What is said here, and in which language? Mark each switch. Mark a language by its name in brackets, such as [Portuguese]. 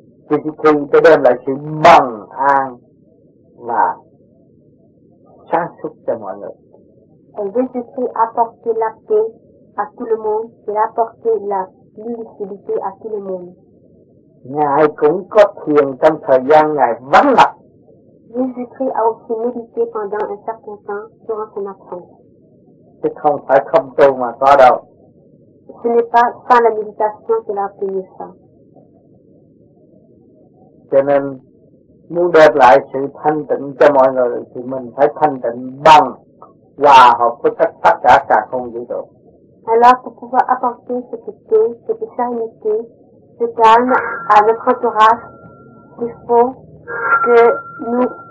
[Vietnamese] Thì khi tôi đem lại sự bằng an và sang suốt cho mọi người. [French] Et Jésus-Christ a apporté la paix à tout le monde et a apporté la lucidité à tout le monde. [Vietnamese] Ngài cũng có thiền trong thời gian Ngài vắng lặng. [French] Jésus-Christ a aussi médité pendant un certain temps durant son absence. [Vietnamese] Chứ không phải không tu mà có đâu. [French] Ce n'est pas sans la méditation qu'il a obtenu ça. [Vietnamese] Cho nên muốn đem lại sự thanh tịnh cho mọi người thì mình phải thanh tịnh bằng hòa hợp với tất cả cả không vũ trụ. [French] Alors pour pouvoir apporter cette paix, cette sérénité, ce calme à notre entourage, il faut que nous